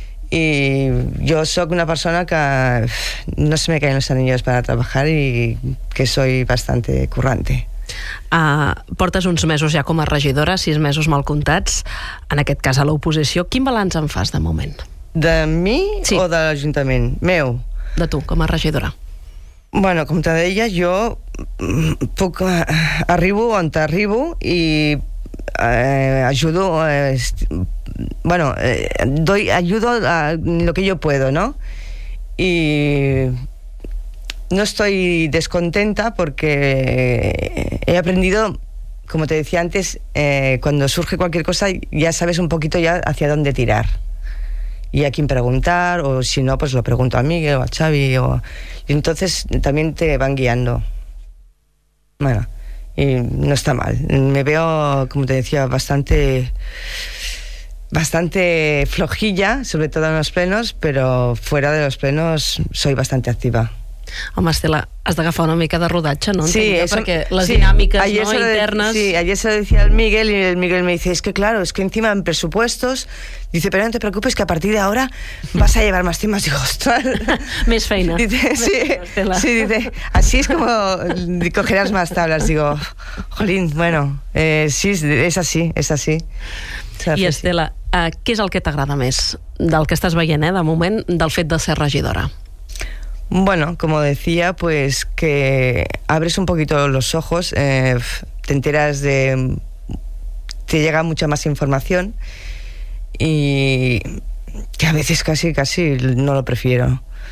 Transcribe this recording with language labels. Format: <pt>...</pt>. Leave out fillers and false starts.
<ca>I jo sóc una persona que</ca> <es>no se me caen los anillos para trabajar y que soy bastante currante.</es> <ca>Portes uns mesos ja com a regidora, 6 mesos mal comptats, en aquest cas a l'oposició. Quin balanç en fas de moment? De mi, sí. O de l'Ajuntament? Meu. De tu, com a regidora. Bueno, com te deia, jo puc, arribo on t'arribo i ajudo...</ca> <es>Bueno, ayudo a lo que yo puedo, ¿no? Y no estoy descontenta porque he aprendido, como te decía antes, cuando surge cualquier cosa ya sabes un poquito ya hacia dónde tirar y a quién preguntar, o si no, pues lo pregunto a Miguel o a Xavi, o... y entonces también te van guiando. Bueno, y no está mal. Me veo, como te decía, bastante flojilla, sobre todo en los plenos, pero fuera de los plenos soy bastante activa.</es> <ca>Home, Estela, has d'agafar una mica de rodatge, no? Sí, eso, perquè les sí, dinàmiques, no, internes...</ca> <es>Sí, ayer se lo decía al Miguel y el Miguel me dice, es que claro, es que encima en presupuestos... Dice, pero no te preocupes que a partir de ahora vas a llevar más temas. Digo, ostras...</es> <ca>Més feina.</ca> <es>Dice, sí, feina, sí, dice, así es como cogerás más tablas. Digo, jolín, bueno, sí, es así.</es> <ca>I Estela, què és el que t'agrada més del que estàs veient, de moment, del fet de ser regidora?</ca> <es>Bueno, como decía, pues que abres un poquito los ojos, te enteras de... te llega mucha más información y que a veces casi no lo prefiero.</es>